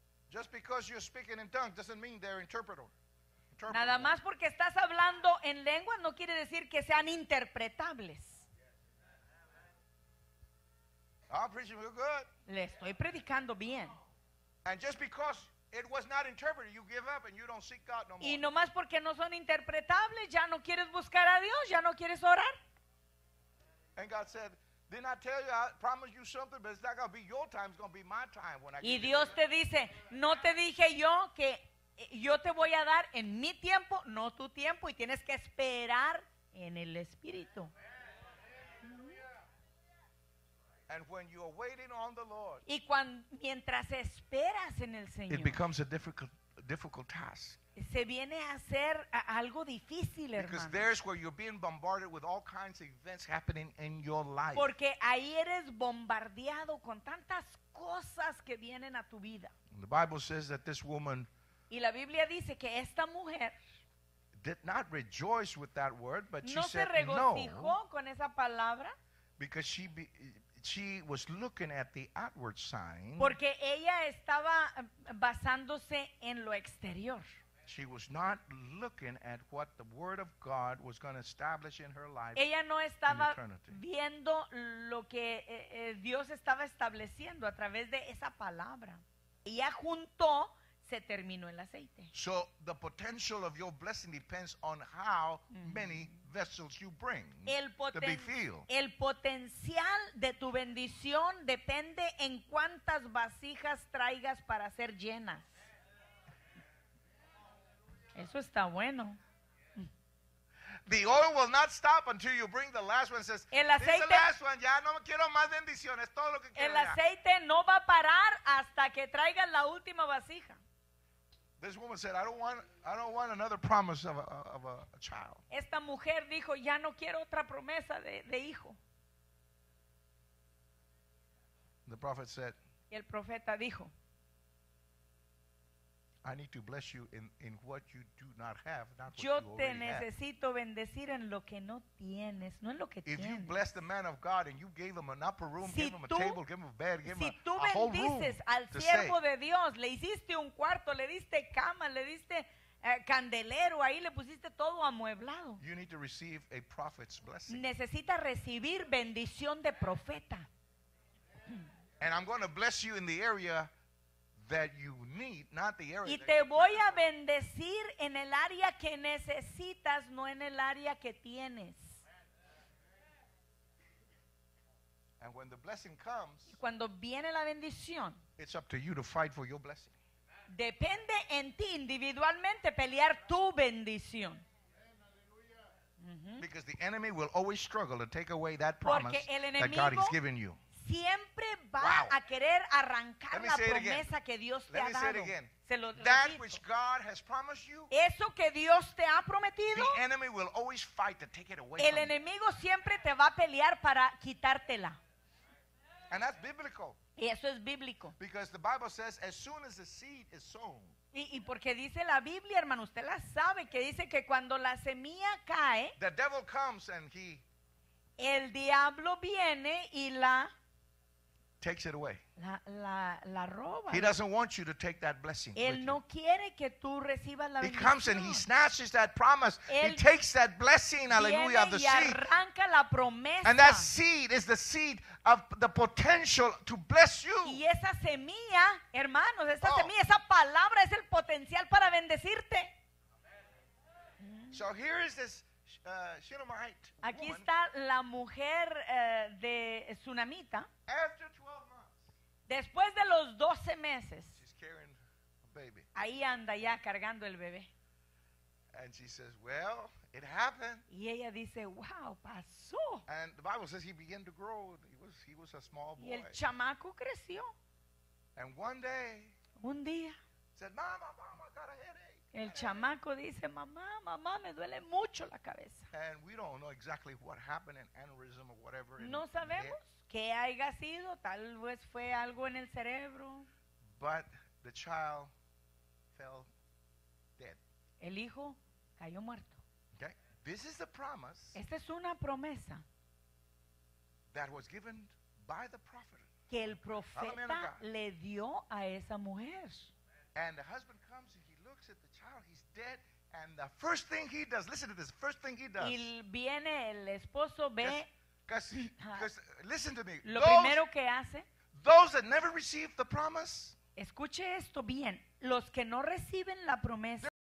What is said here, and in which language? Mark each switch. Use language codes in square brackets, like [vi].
[en] Just because you're speaking in tongues doesn't mean they're interpreter. [es] Nada más porque estás hablando en lengua no quiere decir que sean interpretables. [en] I'm preaching real good. [es] Le estoy predicando bien. [en] And just because it was not interpreted, you give up and you don't seek God no more. [es] Y no más porque no son interpretables, ya no quieres buscar a Dios, ya no quieres orar. [en] And God said, didn't I tell you, I promised you something, but it's not going to be your time, it's going to be my time when I get [es] it. Y Dios te dice, no te dije yo que yo te voy a dar en mi tiempo, no tu tiempo, y tienes que esperar en el Espíritu. [en] And when you are waiting on the Lord, [es] y cuando, mientras esperas en el Señor, [en] it becomes a difficult task. [es] Se viene a hacer algo difícil, hermano. [en] Because there's where you're being bombarded with all kinds of events happening in your life. [es] Porque ahí eres bombardeado con tantas cosas que vienen a tu vida. [en] The Bible says that this woman, [es] y la Biblia dice que esta mujer, [en] did not rejoice with that word, but [es] no, [en] she said, [es] se regocijó no, con esa palabra. [en] Because she was looking at the outward sign. [es] Porque ella estaba basándose en lo exterior. [en] She was not looking at what the word of God was going to establish in her life. [es] Ella no estaba [en] in eternity [es] viendo lo que Dios estaba estableciendo a través de esa palabra. Ella juntó, se terminó el aceite. [en] So the potential of your blessing depends on how many vessels you bring to be filled. [es] El potencial de tu bendición depende en cuántas vasijas traigas para ser llenas. Eso está bueno. [en] The oil will not stop until you bring the last one. Says, [es] el aceite, [en] this is the last one. [es] Ya no quiero más bendiciones. Todo lo que quiero. El aceite ya no va a parar hasta que traigas la última vasija. [en] This woman said, I don't want another promise of a child. [es] Esta mujer dijo, ya no quiero otra promesa de hijo. [en] The prophet said, [es] el profeta dijo, [en] I need to bless you in what you do not have, not what [es] yo [en] you already [es] te necesito [en] have [es] bendecir en lo que no tienes, no en lo que [en] if [es] tienes. [en] If you bless the man of God and you gave him an upper room, [es] si [en] give him a table, give him a bed, give [es] si [en] him [es] tú [en] a whole room [es] al siervo de Dios, le hiciste un cuarto, le diste cama, le diste candelero, ahí le pusiste todo amueblado. [en] You need to receive a prophet's blessing. [es] Necesita recibir bendición de profeta. [en] And I'm going to bless you in the area that you need, not the area. [es] Y te voy a bendecir en el área que necesitas, no en el área que tienes. [en] And when the blessing comes, [es] y cuando viene la bendición, [en] it's up to you to fight for your blessing. [es] Depende en ti individualmente pelear tu bendición. [en] Because the enemy will always struggle to take away that promise that God has given you. [es] Siempre va a querer arrancar la promesa que Dios te ha dado. Se lo repito. [en] That which God has promised you, [es] eso que Dios te ha prometido, [en] the enemy will always fight to take it away. [es] El enemigo siempre te va a pelear para quitártela. [en] And that's biblical. [es] Y eso es bíblico. [en] Because the Bible says, as soon as the seed is sown. [es] Y porque dice la Biblia, hermano, usted la sabe, que dice que cuando la semilla cae, [en] the devil comes and he, [es] el diablo viene y la [en] takes it away. [es] La roba. [en] He doesn't want you to take that blessing. [es] Él no quiere que tú recibas la bendición. [en] He comes and he snatches that promise. He takes that blessing, aleluya, of the seed. [es] Viene y arranca la promesa. [en] And that seed is the seed of the potential to bless you. [es] Y esa semilla, hermanos, esa semilla, esa palabra es el potencial para bendecirte. [en] So here is this Shunammite. [es] Aquí [en] woman. [es] Está la mujer de Tsunamita. [en] After 12 months. [es] Después de los 12 meses. [en] She's carrying a baby. [es] Ahí anda ya cargando el bebé. [en] And she says, "Well, it happened." [es] Y ella dice, "Wow, pasó." [en] And the Bible says he began to grow. He was a small boy. [es] Y el chamaco creció. [en] And one day. [es] Un día. [en] Said, "Mama, mama, got a headache." [es] El chamaco dice, mamá, mamá, me duele mucho la cabeza. [en] And we don't know exactly what happened, an aneurysm or whatever. [es] No sabemos qué haya sido, tal vez fue algo en el cerebro. [en] But the child fell dead. [es] El hijo cayó muerto. [en] Okay. This is the promise. [es] Esta es una promesa. [en] That was given by the prophet. [es] Que el profeta le dio a esa mujer. [en] And the husband comes and he looks at the child, he's dead, and the first thing he does, listen to this, first thing he does. [es] Y viene el esposo, ve. [en] Because, listen to me. [es] Lo primero que hace. [en] Those that never received the promise. [es] Escuche esto bien. Los que no reciben la promesa.